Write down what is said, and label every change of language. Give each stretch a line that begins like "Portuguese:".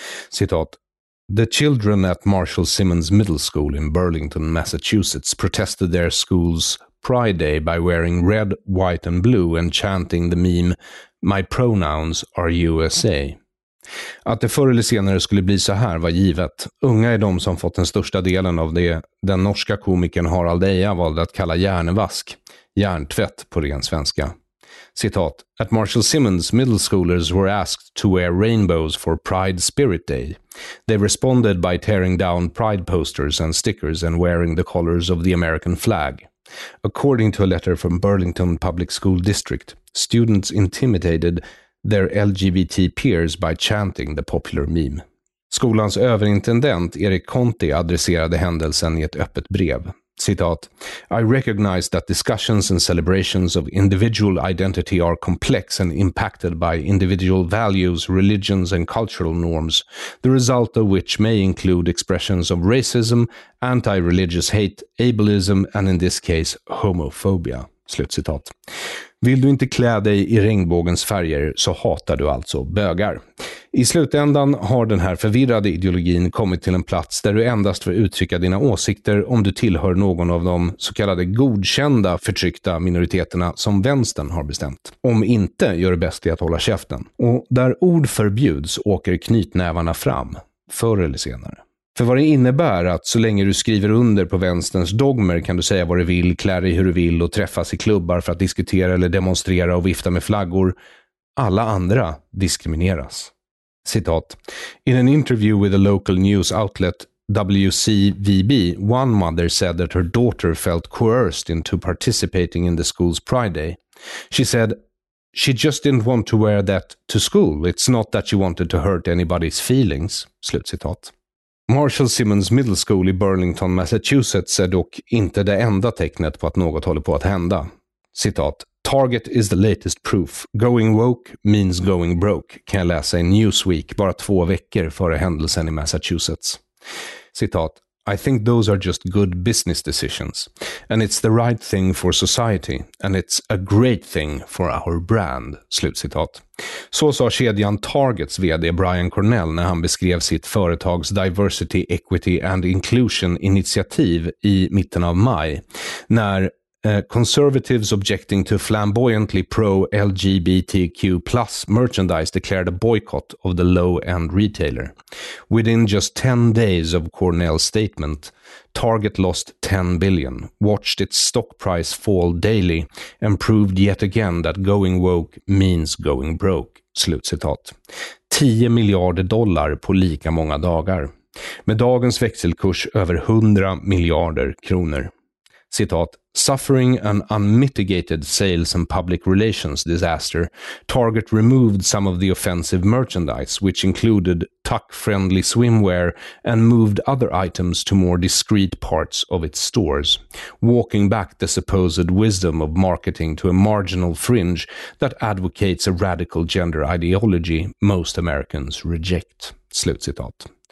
Swedish: Citat,
English: the children at Marshall Simmons Middle School in Burlington, Massachusetts protested their school's Pride Day by wearing red, white and blue and chanting the meme, my pronouns are USA.
Swedish: Att det förr eller senare skulle bli så här var givet. Unga är de som fått den största delen av det den norska komikern Harald Eja valde att kalla hjärnvask, hjärntvätt på ren svenska. Citat,
English: at Marshall Simmons, middle schoolers were asked to wear rainbows for Pride Spirit Day. They responded by tearing down Pride posters and stickers and wearing the colors of the American flag. According to a letter from Burlington Public School District, students intimidated their LGBT peers by chanting the popular meme.
Swedish: Skolans överintendent Erik Conti adresserade händelsen i ett öppet brev. Citat,
English: I recognize that discussions and celebrations of individual identity are complex and impacted by individual values, religions and cultural norms, the result of which may include expressions of racism, anti-religious hate, ableism and in this case homophobia.
Swedish: Slutcitat. Vill du inte klä dig i regnbågens färger så hatar du alltså bögar. I slutändan har den här förvirrade ideologin kommit till en plats där du endast får uttrycka dina åsikter om du tillhör någon av de så kallade godkända förtryckta minoriteterna som vänstern har bestämt. Om inte, gör det bäst i att hålla käften. Och där ord förbjuds åker knytnävarna fram, förr eller senare. För vad det innebär att så länge du skriver under på vänsterns dogmer kan du säga vad du vill, klä dig hur du vill och träffas i klubbar för att diskutera eller demonstrera och vifta med flaggor. Alla andra diskrimineras. Citat.
English: In an interview with a local news outlet WCVB, one mother said that her daughter felt coerced into participating in the school's Pride Day. She said, she just didn't want to wear that to school. It's not that she wanted to hurt anybody's feelings.
Swedish: Slutcitat. Marshall Simmons Middle School i Burlington, Massachusetts är dock inte det enda tecknet på att något håller på att hända. Citat,
English: Target is the latest proof. Going woke means going broke,
Swedish: kan jag läsa i Newsweek bara 2 veckor före händelsen i Massachusetts. Citat,
English: I think those are just good business decisions. And it's the right thing for society. And it's a great thing for our brand.
Swedish: Slutcitat. Så sa kedjan Targets vd Brian Cornell när han beskrev sitt företags Diversity, Equity and Inclusion-initiativ i mitten av maj. När
English: conservatives objecting to flamboyantly pro-LGBTQ plus merchandise declared a boycott of the low-end retailer. Within just 10 days of Cornell's statement, Target lost 10 billion, watched its stock price fall daily, and proved yet again that going woke means going broke.
Swedish: Slutcitat. 10 miljarder dollar på lika många dagar. Med dagens växelkurs över 100 miljarder kronor. Citat,
English: suffering an unmitigated sales and public relations disaster, Target removed some of the offensive merchandise, which included tuck-friendly swimwear, and moved other items to more discreet parts of its stores, walking back the supposed wisdom of marketing to a marginal fringe that advocates a radical gender ideology most Americans reject.
Swedish: Slutcitat.